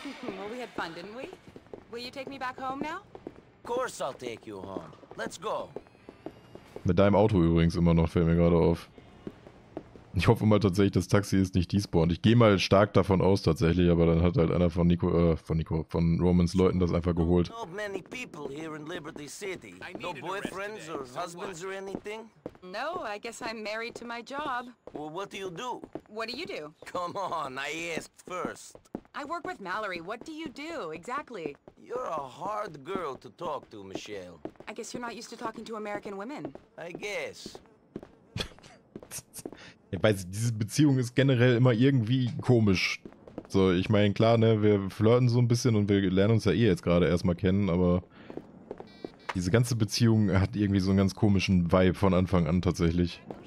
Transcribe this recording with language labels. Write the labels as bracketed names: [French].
[English] Well, we had fun, didn't we? Will you take me back home now? Of course I'll take you home. Let's go. [German] Mit deinem Auto übrigens immer noch, fällt mir gerade auf. Ich hoffe mal tatsächlich, das Taxi ist nicht despawned. Ich gehe mal stark davon aus tatsächlich, aber dann hat halt einer von Nico, von Romans Leuten das einfach geholt. [English] Not many people here in Liberty City. No boyfriends or husbands or anything? No, I guess I'm married to my job. Well, what do you do? What do you do? Come on, I asked first. I work with Mallory. What do you do exactly? You're a hard girl to talk to, Michelle. I guess you're not used to talking to American women. I guess. [German] Ich weiß, diese Beziehung ist generell immer irgendwie komisch. So, ich meine, klar, ne, wir flirten so ein bisschen und wir lernen uns ja eh jetzt gerade erstmal kennen, aber diese ganze Beziehung hat irgendwie so einen ganz komischen Vibe von Anfang an tatsächlich.